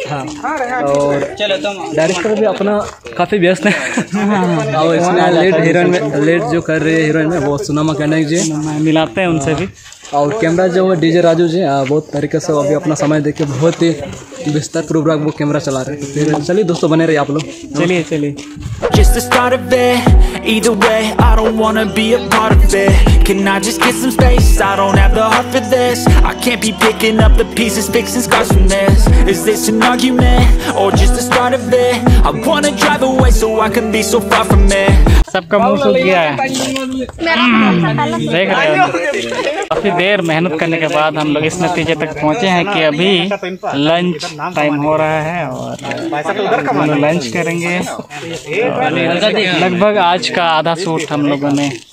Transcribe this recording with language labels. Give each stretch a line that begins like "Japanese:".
Hindi: हाँ और डायरेक्टर भी अपना काफ़ी व्यस्त है। और इसमें लेट हीरोइन में लेट जो कर रही है हीरोइन में वो सुनामा कहना जी, मिलाते हैं उनसे भी। और कैमरा जो है डीजे राजू जी बहुत तरीके से अभी अपना समय देके बहुत ही विस्तार प्रोग्राम वो कैमरा चला रहे हैं। फिर चलिए दोस्तों बने रहिए आप लोग। चलिए चलिए
English: Just the start of it. Either way, I don't wanna be a part of it. Can I just get some space? I don't have the heart for this. I can't be picking up the pieces, fixing scars from this. Is this an argument or just the start of it? I wanna drive away so I can be so far from it.
Hindi: सबका मुंह सूख गया है, देख रहे हो। काफी देर मेहनत करने के बाद हम लोग इस नतीजे तक पहुंचे हैं कि अभी लंच टाइम हो रहा है और हम लोग लंच करेंगे। लगभग आज का आधा सूट हम लोगों ने